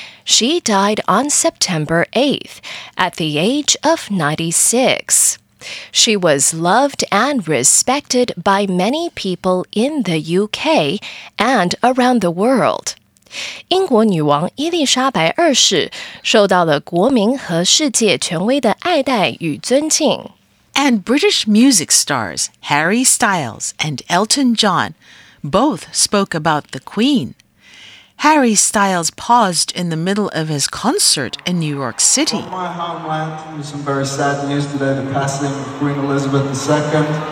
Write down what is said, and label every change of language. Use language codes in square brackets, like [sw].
[en] She died on September 8th at the age of 96. She was loved and respected by many people in the UK and around the world. [zh] 英国女王伊莉莎白二世受到了国民和世界权威的爱戴与尊敬。 [en] And British music stars Harry Styles and Elton John both spoke about the Queen. Harry Styles paused in the middle of his concert in New York City. From my homeland, there's some very sad news today, the passing of Queen Elizabeth II.